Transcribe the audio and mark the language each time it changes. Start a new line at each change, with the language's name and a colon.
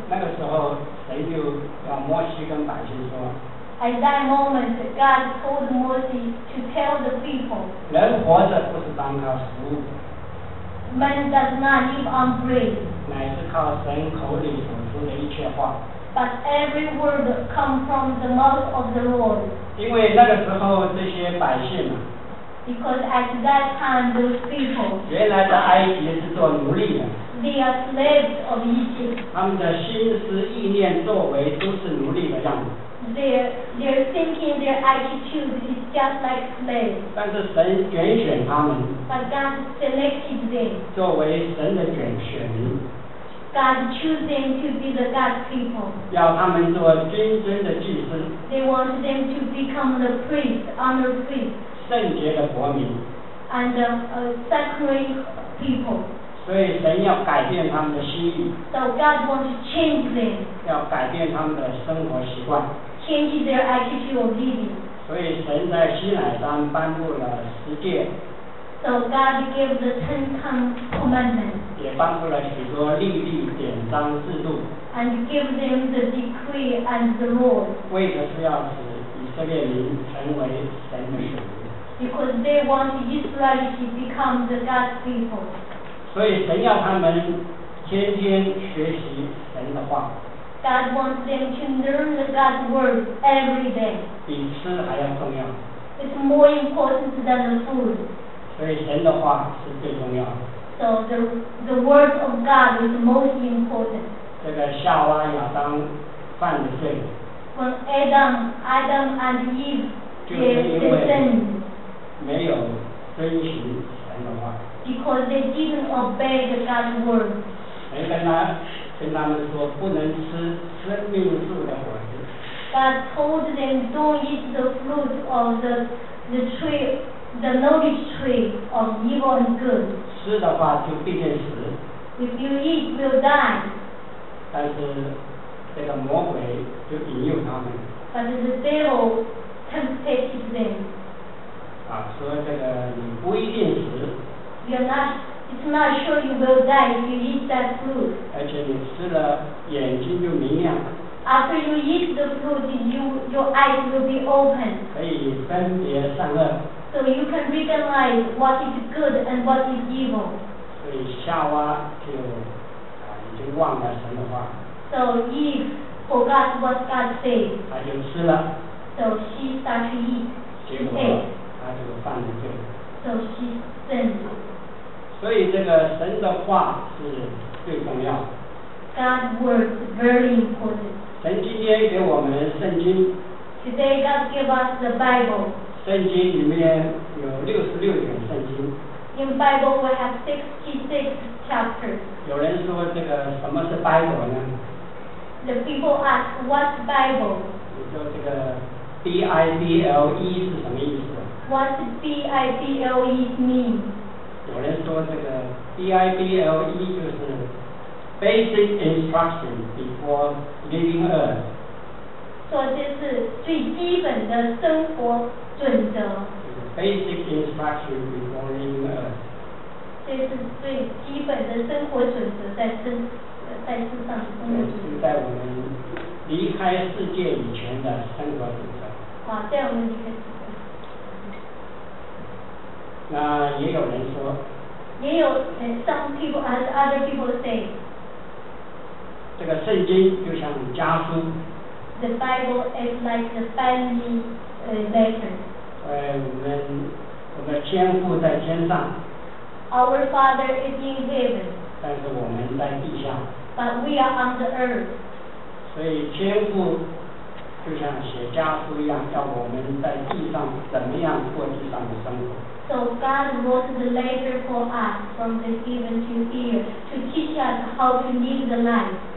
Chinese: 那个时候，神就要摩西跟百姓说
English: ，At that moment, God told Moses to tell the people.
Chinese: 人活着不是单靠食物。
English: Man does not live on bread.
Chinese: 乃是靠神口里所出的一切话。
English: But every word comes from the mouth of the Lord.
Chinese: 因为那个时候这些百姓啊。
English: Because at that time those people.
Chinese: 原来的埃及是做奴隶的。
English: They are slaves of Egypt.
Chinese: 他们的心思意念作为都是奴隶的样子。
English: their thinking, their attitude is just like clay.
Chinese: 但是神拣选他们。
English: But God selected them.
Chinese: 作为神的拣选民。
English: God chose them to be the God's people.
Chinese: 要他们做君尊的祭司。
English: They wanted them to become the priests, honor priests.
Chinese: 圣洁的国民。
English: And the sacred people.
Chinese: 所以神要改变他们的心意。
English: So God wants to change them.
Chinese: 要改变他们的生活习惯。
English: Change their attitude of living.
Chinese: 所以神在西乃山颁布了十诫。
English: So God gave the Ten Commandments.
Chinese: 也颁布了许多律例、典章、制度。
English: And give them the decree and the law.
Chinese: 为的是要使以色列民成为神的选民。
English: Because they want Israel to become the God's people.
Chinese: 所以神要他们天天学习神的话。
English: God wants them to learn the God's word every day.
Chinese: 比吃还要重要。
English: It's more important than the food.
Chinese: 所以神的话是最重要的。
English: So the word of God is most important.
Chinese: 这个夏娃亚当犯的罪。
English: When Adam and Eve gave sin.
Chinese: 没有遵循神的话。
English: Because they didn't obey the God's word.
Chinese: 神跟他们说不能吃生命树的果子。
English: God told them don't eat the fruit of the tree, the knowledge tree of evil and good.
Chinese: 吃的话就必定死。
English: If you eat, you'll die.
Chinese: 但是这个魔鬼就引诱他们。
English: But the devil tempted them.
Chinese: 啊，说这个你不一定死。
English: It's not sure you will die if you eat that fruit.
Chinese: 而且你吃了眼睛就明亮。
English: After you eat the fruit, your eyes will be open.
Chinese: 可以分别善恶。
English: So you can recognize what is good and what is evil.
Chinese: 所以夏娃就已经忘了神的话。
English: So Eve forgot what God said.
Chinese: 她就吃了。
English: So she started to eat.
Chinese: 结果她就犯了罪。
English: So she sinned.
Chinese: 所以这个神的话是最重要。
English: God's word is very important.
Chinese: 神今天给我们圣经。
English: Today God gave us the Bible.
Chinese: 圣经里面有66卷圣经。
English: In Bible we have 66 chapters.
Chinese: 有人说这个什么是 Bible 呢？
English: The people ask what's Bible?
Chinese: 你说这个 Bible 是什么意思？
English: What Bible mean?
Chinese: 有人说这个 Bible 就是
English: basic instruction before leaving earth.
Chinese: 说这是最基本的生活准则。
English: Basic instruction before leaving earth.
Chinese: 这是最基本的生活准则在世上生活准则。在我们离开世界以前的生活准则。好，在我们离开。那也有人说，也有
English: some people and other people say，
Chinese: 这个圣经就像家书。
English: The Bible is like the family letter。
Chinese: 我们天父在天上。
English: Our Father is in heaven。
Chinese: 但是我们在地下。
English: But we are on the earth。
Chinese: 所以天父就像写家书一样，叫我们在地上怎么样过地上的生活。
English: So God wrote the letter for us from the heaven to here to teach us how to live the life.